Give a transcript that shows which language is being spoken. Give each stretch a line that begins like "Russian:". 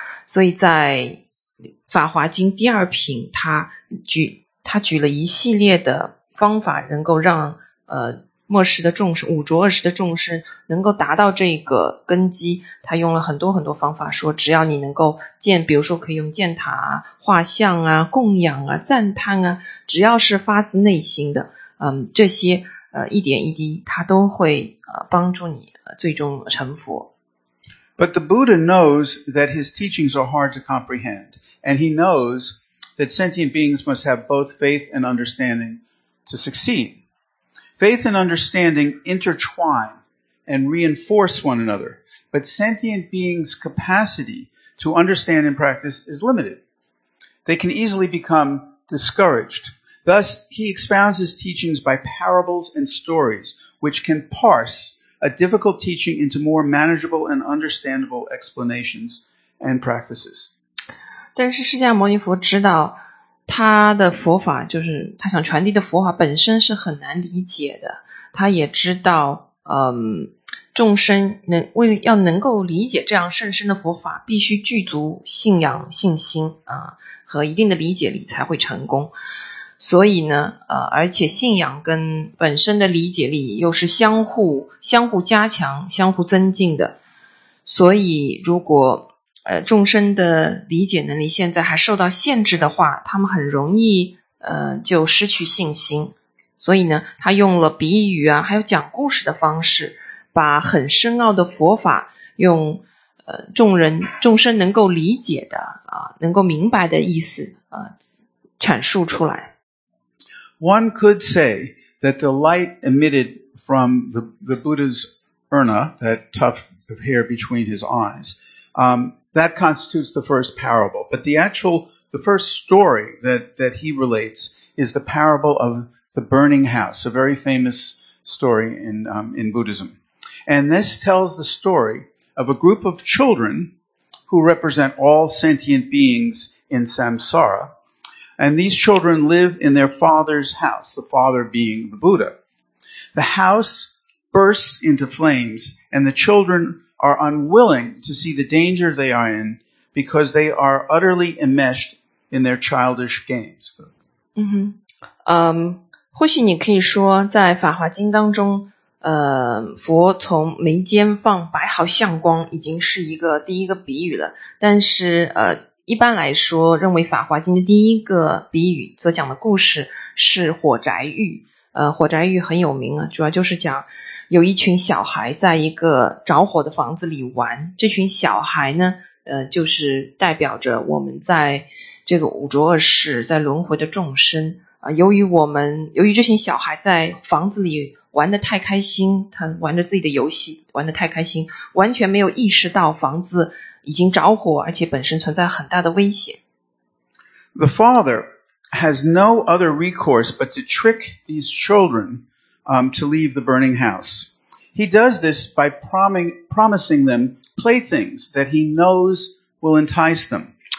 Chinese: 所以在《法华经》第二品，他举了一系列的方法，能够让末世的众生，五浊恶世的众生能够达到这个根基。他用了很多很多方法，说只要你能够建，比如说可以用建塔啊、画像啊、供养啊、赞叹啊，只要是发自内心的，这些一点一滴，他都会帮助你最终成佛。
English: But the Buddha knows that his teachings are hard to comprehend, and he knows that sentient beings must have both faith and understanding to succeed. Faith and understanding intertwine and reinforce one another, but sentient beings' capacity to understand and practice is limited. They can easily become discouraged. Thus, he expounds his teachings by parables and stories, which can parse a difficult teaching into more manageable and understandable explanations and practices.
Chinese: 但是释迦牟尼佛知道他的佛法，就是他想传递的佛法本身是很难理解的。他也知道，众生能够理解这样甚深的佛法，必须具足信仰、信心啊，和一定的理解力才会成功。所以呢，而且信仰跟本身的理解力又是相互加强、相互增进的。所以如果众生的理解能力现在还受到限制的话，他们很容易就失去信心。所以呢，他用了比喻啊，还有讲故事的方式，把很深奥的佛法用众生能够理解的啊，能够明白的意思啊，阐述出来。
English: One could say that the light emitted from the Buddha's urna, that tuft of hair between his eyes, that constitutes the first parable. But the first story that he relates is the parable of the burning house, a very famous story in Buddhism. And this tells the story of a group of children who represent all sentient beings in samsara. And these children live in their father's house, the father being the Buddha. The house bursts into flames and the children are unwilling to see the danger they are in because they are utterly enmeshed in their childish games.
Chinese: 或许你可以说在法华经当中，佛从眉间放白毫相光已经是一个第一个比喻了。但是一般来说认为法华经的第一个比喻所讲的故事是火宅喻。火宅喻很有名啊，主要就是讲有一群小孩在一个着火的房子里玩，这群小孩呢，就是代表着我们在这个五浊恶世在轮回的众生啊。由于这群小孩在房子里玩得太开心，他玩着自己的游戏玩得太开心，完全没有意识到房子已经着火，而且本身存在很大的危险。
English: The father has no other recourse but to trick these children. To leave the burning house. He does this by promising them playthings that he knows will entice them.